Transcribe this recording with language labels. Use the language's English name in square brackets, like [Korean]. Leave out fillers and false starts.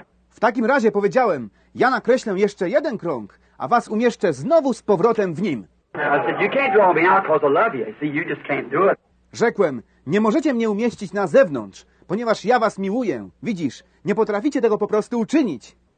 [Polish] W takim razie powiedziałem, ja nakreślę jeszcze jeden krąg, a was umieszczę znowu z powrotem w nim. [English] I said, you can't draw me out because I love you. See, you just can't do it. [Polish] Rzekłem, nie możecie mnie umieścić na zewnątrz, ponieważ ja was miłuję. Widzisz, nie potraficie tego po prostu uczynić.